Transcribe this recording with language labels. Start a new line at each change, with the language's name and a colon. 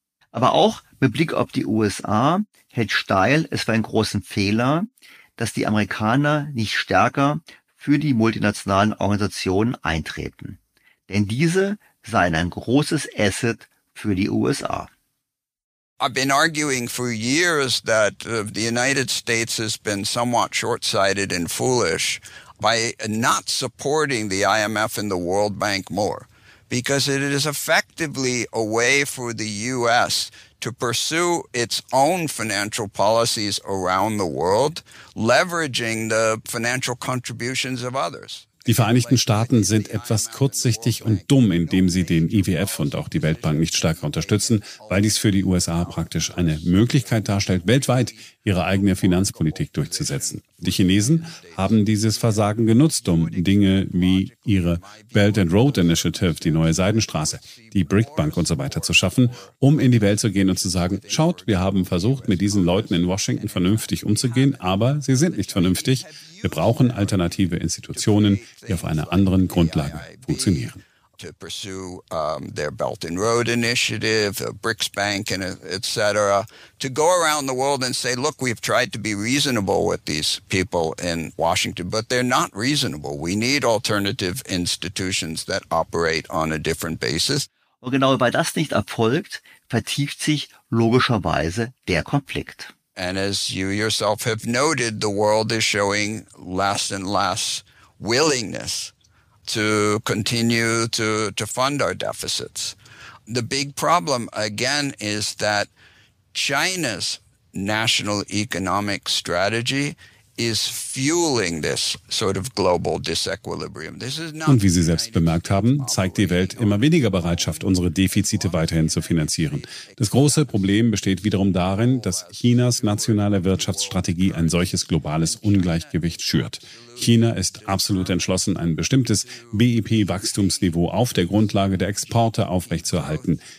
German: Aber auch mit Blick auf die USA hält Steil es für einen großen Fehler, dass die Amerikaner nicht stärker für die multinationalen Organisationen eintreten. Denn diese seien ein großes Asset für die USA.
English: I've been arguing for years that the United States has been somewhat short-sighted and foolish by not supporting the IMF and the World Bank more, because it is effectively a way for the U.S. to pursue its own financial policies around the world, leveraging the financial contributions of others.
German: Die Vereinigten Staaten sind etwas kurzsichtig und dumm, indem sie den IWF und auch die Weltbank nicht stärker unterstützen, weil dies für die USA praktisch eine Möglichkeit darstellt, weltweit ihre eigene Finanzpolitik durchzusetzen. Die Chinesen haben dieses Versagen genutzt, um Dinge wie ihre Belt and Road Initiative, die neue Seidenstraße, die BRIC-Bank und so weiter zu schaffen, um in die Welt zu gehen und zu sagen, schaut, wir haben versucht, mit diesen Leuten in Washington vernünftig umzugehen, aber sie sind nicht vernünftig. Wir brauchen alternative Institutionen, die auf einer anderen Grundlage funktionieren.
English: To pursue their Belt and Road Initiative, BRICS Bank, and et cetera, to go around the world and say, look, we've tried to be reasonable with these people in Washington, but they're not reasonable. We need alternative institutions that operate on a different basis.
German: Und genau weil das nicht erfolgt, vertieft sich logischerweise der Konflikt.
English: And as you yourself have noted, the world is showing less and less willingness to continue to fund our deficits. The big problem, again, is that China's national economic strategy is fueling this sort of global disequilibrium. This is not.
German: Und wie Sie selbst bemerkt haben, zeigt die Welt immer weniger Bereitschaft, unsere Defizite weiterhin zu finanzieren. Das große Problem besteht wiederum darin, dass Chinas nationale Wirtschaftsstrategie ein solches globales Ungleichgewicht schürt. China ist absolut entschlossen, ein bestimmtes BIP-Wachstumsniveau auf der Grundlage der Exporte aufrechtzuerhalten.